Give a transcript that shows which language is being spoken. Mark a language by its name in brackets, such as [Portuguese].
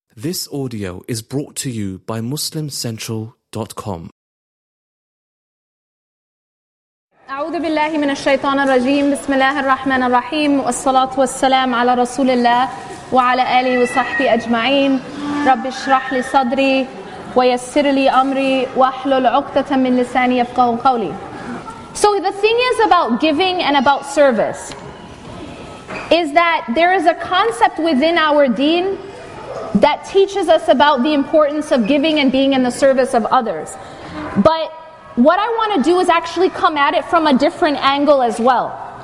[English] This audio is brought to you by MuslimCentral.com. [Arabic] أعوذ بالله من الشيطان الرجيم بسم الله الرحمن الرحيم والصلاة والسلام على رسول الله وعلى آله وصحبه أجمعين رب اشرح لي صدري ويسر لي أمري واحلل عقدة من لساني يفقهوا قولي. [English] So the thing is about giving and about service is that there is a concept within our deen that teaches us about the importance of giving and being in the service of others. But what I want to do is actually come at it from a different angle as well.